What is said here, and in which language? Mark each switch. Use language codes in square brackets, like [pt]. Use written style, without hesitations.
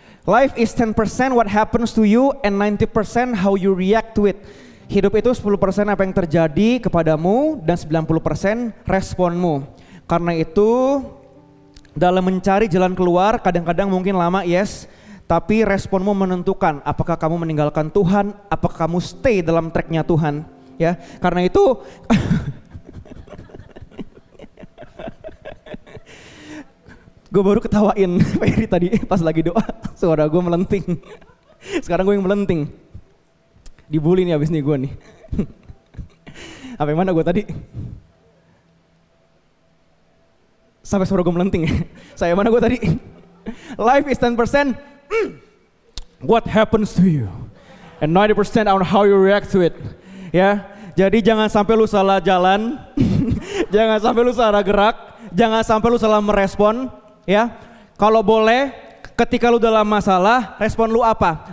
[en] Life is 10% what happens to you and 90% how you react to it. [id] Hidup itu 10% apa yang terjadi kepadamu dan 90% responmu. Karena itu dalam mencari jalan keluar kadang-kadang mungkin lama, yes, tapi responmu menentukan apakah kamu meninggalkan Tuhan, apakah kamu stay dalam track-nya Tuhan, ya. Karena itu gue baru ketawain Ferry tadi pas lagi doa, suara gue melenting. Sekarang gue yang melenting. Dibully nih abis nih gue nih. Sampai mana gue tadi? Sampai suara gue melenting ya. Sampai mana gue tadi? [en] Life is 10% what happens to you and 90% on how you react to it. [id] Ya, jadi jangan sampai lu salah jalan. Jangan sampai lu salah gerak. Jangan sampai lu salah merespon. Ya, kalau boleh ketika lu dalam masalah, respon lu apa?